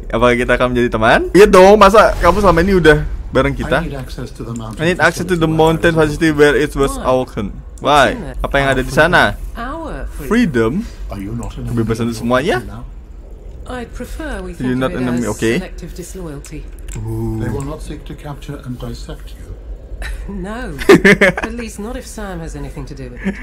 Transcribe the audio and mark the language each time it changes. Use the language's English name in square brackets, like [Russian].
[Indonesian] Apakah kita akan menjadi teman? Iya dong, masa kamu sama ini udah bareng kita? [English] I need access to the mountain facility where it was awoken. [Indonesian] Why? Apa yang ada di sana? Freedom, kebebasan itu semuanya. [English] I'd prefer we think you're not an enemy. Okay. Selective disloyalty. They will not seek to capture and dissect you. No. At least not if Sam has anything to do with it.